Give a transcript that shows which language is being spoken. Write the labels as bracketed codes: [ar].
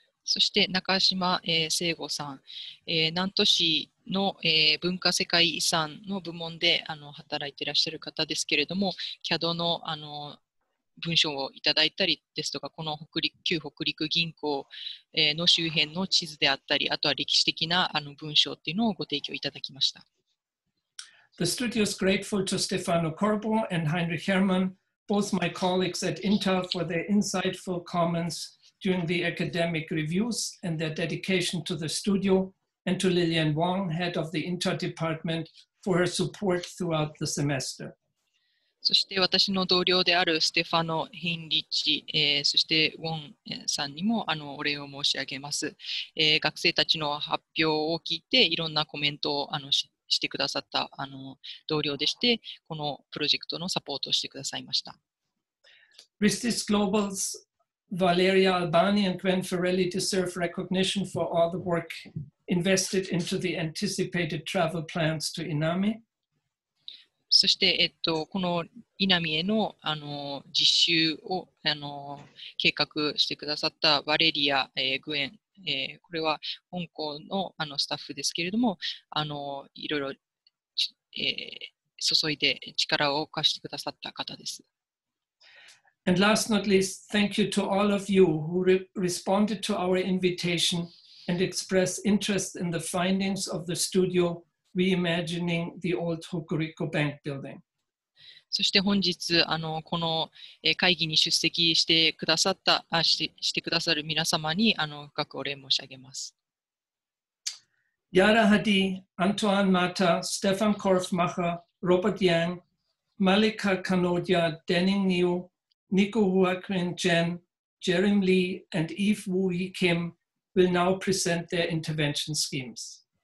[ja] そして中島、聖吾さん、南砺市の、文化世界遺産の部門で、あの、働いていらっしゃる方ですけれども、CAD の、あの、文書をいただいたりですとか、この旧北陸銀行、の周辺の地図であったり、あとは歴史的な、あの、文書っていうのをご提供いただきました。 [en] The studio is grateful to Stefano Corbo and Heinrich Hermann, both my colleagues at Inter, for their insightful comments. During the academic reviews and their dedication to the studio, and to Lillian Wong, head of the Inter Department, for her support throughout the semester. [ja] そして私の同僚であるステファノ・ヒンリッチ、そしてウォンさんにも、あの、お礼を申し上げます。学生たちの発表を聞いて、いろんなコメントを、あの、してくださった、あの、同僚でして、このプロジェクトのサポートをしてくださいました。 [en] RISD's GlobalsValeria Albani and Gwen Ferrelli deserve recognition for all the work invested into the anticipated travel plans to Inami. [ja] そして、この Inami への、あの、実習を、あの、計画してくださったバレリア、グエン、これは香港の、あの、スタッフですけれども、あの、いろいろ、注いで力を貸してくださった方です。 [en] And last not least, thank you to all of you who responded to our invitation and expressed interest in the findings of the studio reimagining the old Hokuriku Bank building. [ja] そして本日この会議に出席してくださった、してくださる皆様に深くお礼申し上げます。ヤラ・ハディ、アントワン・マーター、ステファン・コルフ・マハ、ロバート・ヤン、マリカ・カノディア、デニング・ニュー、ニコ・ホアクリン・ジェン、ジェレム・リー、アンド・イーフ・ウィー・キム、 [en] will now present their intervention schemes.